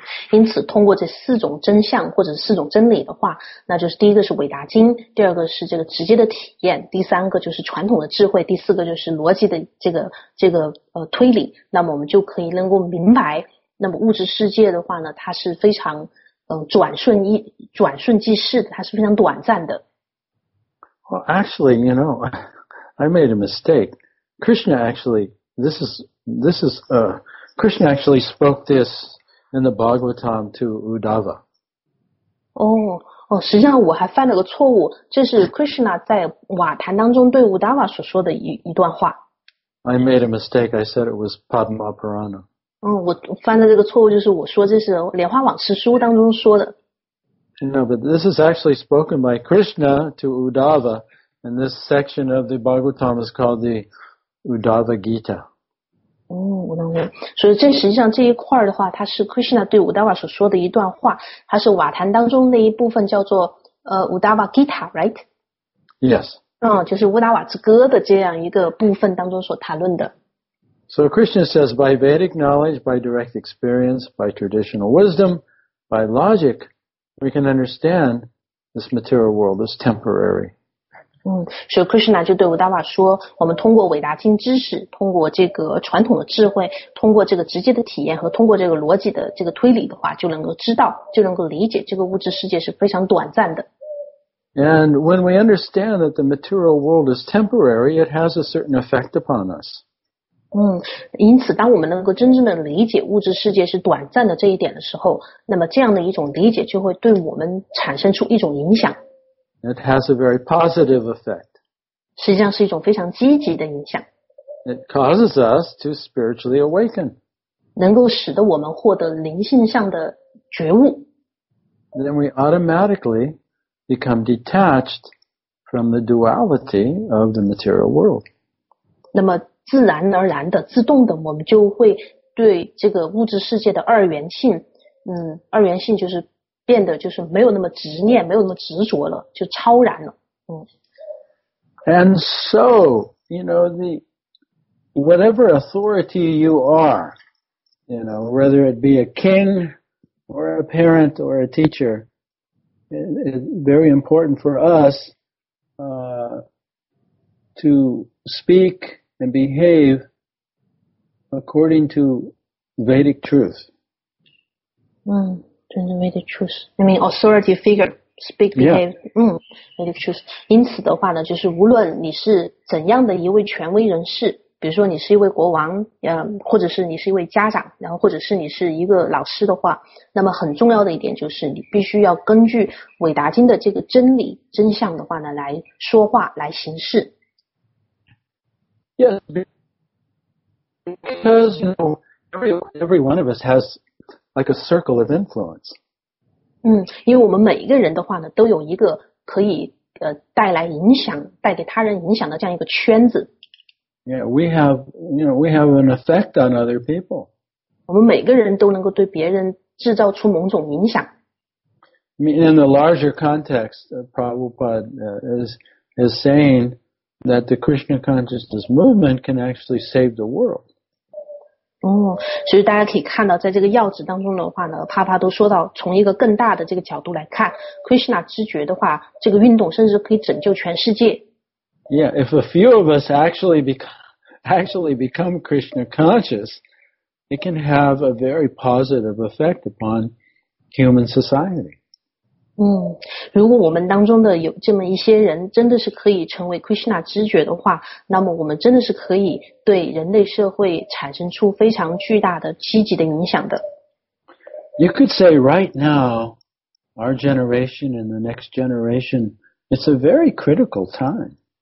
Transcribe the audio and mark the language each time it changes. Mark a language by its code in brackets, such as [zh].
[zh] 因此通过这四种真相或者四种真理的话那就是第一个是韦达经第二个是这个直接的体验第三个就是传统的智慧第四个就是逻辑的这个推理那么我们就可以能够明白那么物质世界的话呢它是非常转瞬即逝的它是非常短暂的。 [en] Well, actually, you know, I made a mistake. Krishna actually spoke this in the Bhagavatam to Uddhava. [zh] 实际上我还犯了个错误这是 Krishna 在瓦坛当中对 Uddhava 所说的一段话。 [en] I made a mistake, I said it was Padma Purana. [zh] 我犯的这个错误就是我说这是莲花网师书当中说的。 [en] No, but this is actually spoken by Krishna to Uddhava, and this section of the Bhagavatam is called the Uddhava Gita. [zh] 我懂了。所以这实际上这一块的话，它是 Krishna 对 Uddhava 所说的一段话，它是瓦坛当中那一部分叫做Uddhava Gita, [en] right? Yes. [zh] 就是乌达瓦之歌的这样一个部分当中所谈论的。 [en] So Krishna says, by Vedic knowledge, by direct experience, by traditional wisdom, by logic, we can understand this material world is temporary. [zh] So Krishna 就对乌达瓦说，我们通过伟大经知识，通过这个传统的智慧，通过这个直接的体验和通过这个逻辑的这个推理的话，就能够知道，就能够理解这个物质世界是非常短暂的。 [en] And when we understand that the material world is temporary, it has a certain effect upon us. [zh] 因此当我们能够真正的理解物质世界是短暂的这一点的时候，那么这样的一种理解就会对我们产生出一种影响。 [en] It has a very positive effect. [zh] 实际上是一种非常积极的影响。 [en] It causes us to spiritually awaken. [zh] 能够使得我们获得灵性上的觉悟。 [en] Then we automatically become detached from the duality of the material world. [zh] 那么自然而然的自动的我们就会对这个物质世界的二元性二元性就是变得就是没有那么执念没有那么执着了就超然了。 [en] And so, you know, the whatever authority you are, you know, whether it be a king or a parent or a teacher,It's very important for us, to speak and behave according to Vedic truth. Vedic truth. I mean, authority figure, speak, behave. Yeah. Vedic truth. [zh] 因此的话呢，就是无论你是怎样的一位权威人士，比如说你是一位国王，或者是你是一位家长，然后或者是你是一个老师的话，那么很重要的一点就是你必须要根据伟达经的这个真理真相的话呢来说话来行事。 [en] Yes, because you know, every one of us has like a circle of influence. [zh] 因为我们每一个人的话呢都有一个可以带来影响带给他人影响的这样一个圈子。 [en] Yeah, we have, you know, we have an effect on other people. [zh] 我们每个人都能够对别人制造出某种影响。 [en] In the larger context, Prabhupada is saying that the Krishna consciousness movement can actually save the world. [zh] 所以大家可以看到在这个要旨当中的话呢帕帕都说到从一个更大的这个角度来看 Krishna 知觉的话这个运动甚至可以拯救全世界。 [en] Yeah, if a few of us actually become Krishna conscious, it can have a very positive effect upon human society. [zh] 如果我们当中的有这么一些人真的是可以成为 Krishna 知觉的话，那么我们真的是可以对人类社会产生出非常巨大的积极的影响的。 [en] You could say right now, our generation and the next generation, it's a very critical time.